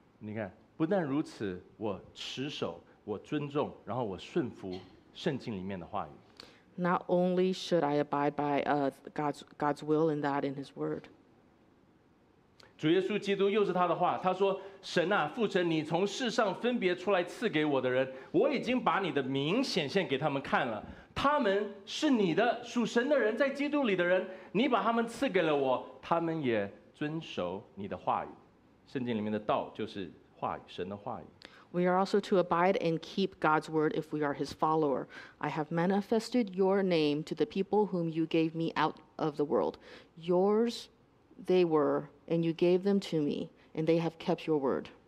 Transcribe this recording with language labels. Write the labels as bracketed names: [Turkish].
[Chinese] 你看，不但如此，我持守，我尊重，然后我顺服圣经里面的话语。 [English] Not only should I abide by God's will in that in His word. [Chinese] 主耶稣基督又是他的话，他说：“神啊，父神，你从世上分别出来赐给我的人，我已经把你的名显现给他们看了。他们是你的属神的人，在基督里的人，你把他们赐给了我，他们也遵守你的话语。圣经里面的道就是话语，神的话语。” [English] We are also to abide and keep God's word if we are His follower. I have manifested your name to the people whom you gave me out of the world. Yours they were, and you gave them to me, and they have kept your word.